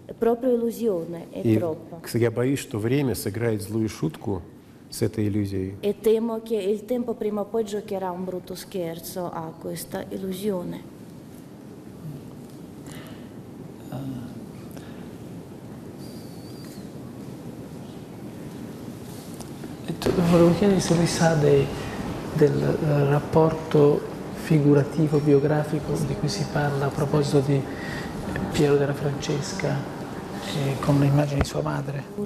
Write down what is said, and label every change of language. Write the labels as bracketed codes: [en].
[it] Proprio illusione, è troppo. [ru] Я боюсь, что время сыграет злую шутку с этой иллюзией. [it] E temo che il tempo prima o poi giocherà un brutto scherzo a questa illusione. Volevo chiedere se lui sa del rapporto figurativo, biografico di cui si parla a proposito di Piero della Francesca con le immagini di sua madre.